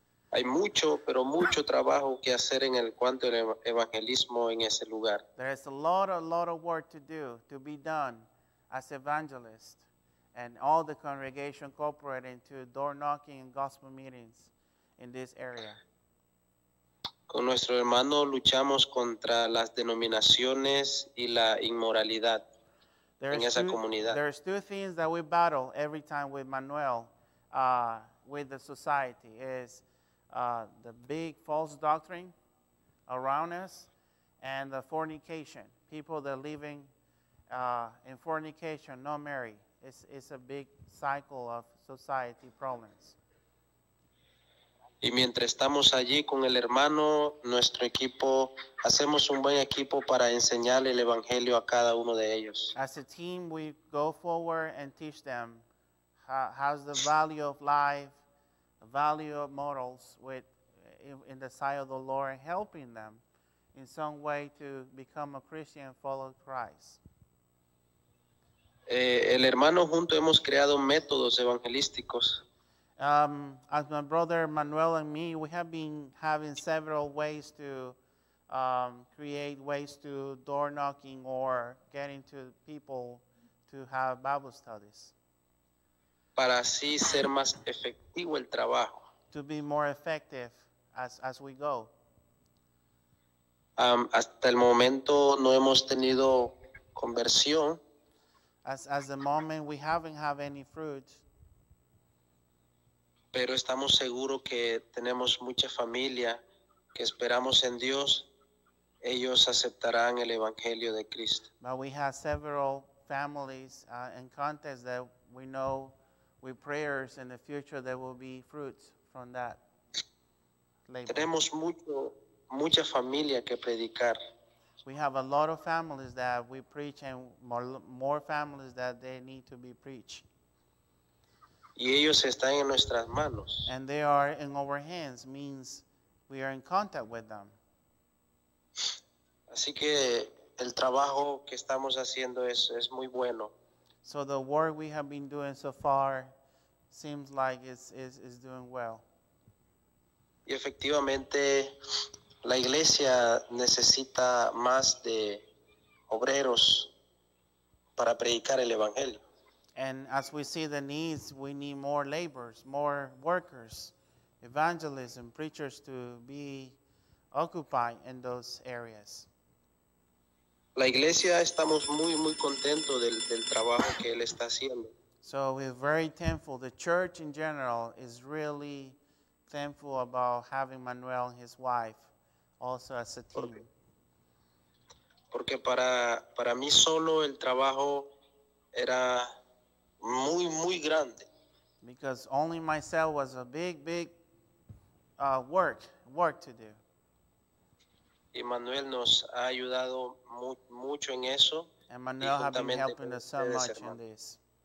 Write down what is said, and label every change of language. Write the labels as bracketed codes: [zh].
[es] Hay mucho, pero mucho trabajo que hacer en el cuanto al evangelismo en ese lugar. [en] There is a lot of work to do, to be done as evangelist. And all the congregation cooperating to door knocking and gospel meetings in this area. [es] Con nuestro hermano luchamos contra las denominaciones y la inmoralidad en esa comunidad. [en] There's two things that we battle every time with Manuel, with the society, is the big false doctrine around us and the fornication. People that are living in fornication, no marry. It's a big cycle of society problems. [es] Y mientras estamos allí con el hermano, nuestro equipo, hacemos un buen equipo para enseñar el evangelio a cada uno de ellos. [en] As a team, we go forward and teach them how's the value of life, the value of morals in the sight of the Lord, and helping them in some way to become a Christian and follow Christ. [es] El hermano junto hemos creado métodos evangelísticos. [en] As my brother Manuel and me, we have been having several ways to create ways to door knocking or getting to people to have Bible studies. [es] Para así ser más efectivo el trabajo. [en] To be more effective as we go. [es] Hasta el momento no hemos tenido conversión. [en] As the moment we haven't have any fruit. [es] Pero estamos seguros que tenemos mucha familia que esperamos en Dios. Ellos aceptarán el evangelio de Cristo. [en] But we have several families in contact that we know with prayers in the future there will be fruits from that labor. [es] Tenemos mucha familia que predicar. [en] We have a lot of families that we preach and more families that they need to be preached. [es] Y ellos están en nuestras manos. [en] And they are in our hands, means we are in contact with them. [es] Así que el trabajo que estamos haciendo es muy bueno. [en] So the work we have been doing so far seems like it's doing well. [es] Y efectivamente la iglesia necesita más de obreros para predicar el evangelio. [en] And as we see the needs, we need more laborers, more workers, evangelists and preachers to be occupied in those areas. [es] La iglesia estamos muy muy contentos del trabajo que él está haciendo. [en] So we're very thankful. The church in general is really thankful about having Manuel and his wife also as a team. [es] Porque para mí solo el trabajo era muy muy grande. [en] Because only myself was a big work to do. [es] Y Manuel nos ha ayudado mucho en eso. [en] And Manuel has been helping us so much in this.